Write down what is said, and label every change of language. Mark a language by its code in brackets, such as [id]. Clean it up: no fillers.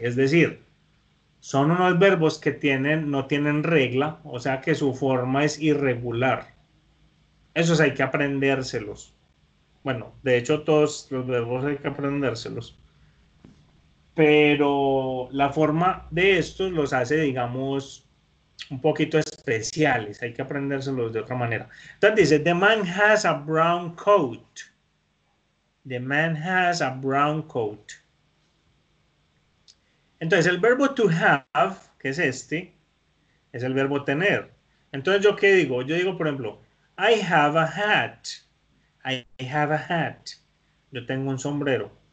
[es] Es decir, son unos verbos que tienen, no tienen regla, o sea que su forma es irregular. Esos hay que aprendérselos. Bueno, de hecho, todos los verbos hay que aprendérselos. Pero la forma de estos los hace, digamos, un poquito especiales. Hay que aprendérselos de otra manera. Entonces dice, [en] the man has a brown coat. The man has a brown coat. [es] Entonces el verbo to have, que es este, es el verbo tener. Entonces, ¿yo qué digo? Yo digo, por ejemplo, [en] I have a hat. I have a hat. [es] Yo tengo un sombrero.